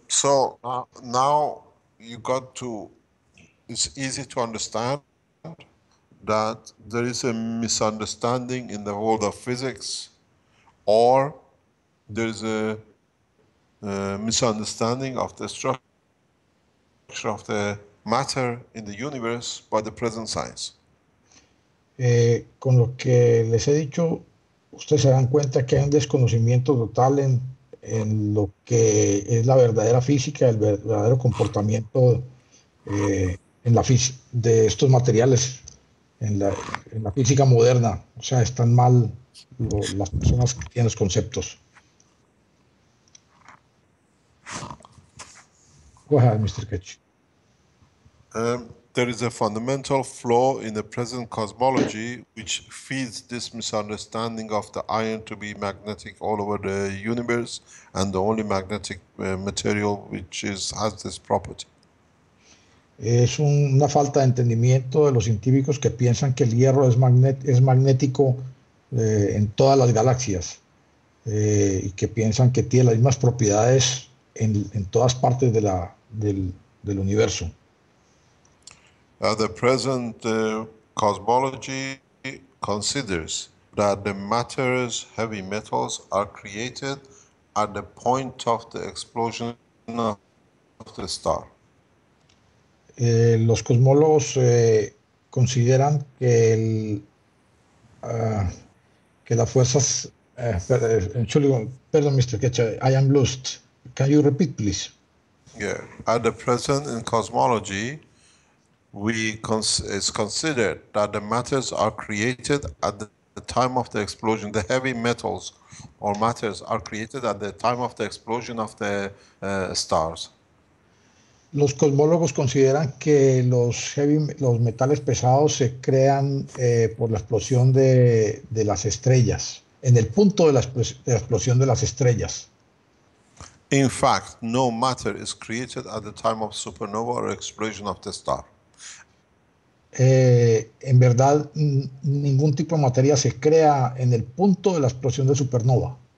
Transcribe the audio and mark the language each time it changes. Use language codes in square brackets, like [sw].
[en] So now you got to, it's easy to understand that there is a misunderstanding in the world of physics, or there is a misunderstanding of the structure of the matter in the universe by the present science. [es] Con lo que les he dicho, ustedes se dan cuenta que hay un desconocimiento total en lo que es la verdadera física, el verdadero comportamiento en la de estos materiales en la física moderna. O sea, están mal las personas que tienen los conceptos. [en] Go ahead, Mr. Keshe. There is a fundamental flaw in the present cosmology which feeds this misunderstanding of the iron to be magnetic all over the universe and the only magnetic material which has this property. [es] Es una falta de entendimiento de los científicos que piensan que el hierro es magnético en todas las galaxias y que piensan que tiene las mismas propiedades en todas partes de del universo. [en] The present cosmology considers that the matter's heavy metals are created at the point of the explosion of the star. [es] Los cosmólogos consideran que que las fuerzas perdón, Mr. [en] Keshe, I am lost. Can you repeat, please? Yeah, at the present in cosmology, it's considered that the matters are created at the time of the explosion. The heavy metals or matters are created at the time of the explosion of the stars. [es] Los cosmólogos consideran que los metales pesados se crean por la explosión de las estrellas, en el punto de la explosión de las estrellas. [en] In fact, no matter is created at the time of supernova or explosion of the star. [es] En verdad, ningún tipo de materia se crea en el punto de la explosión de supernova.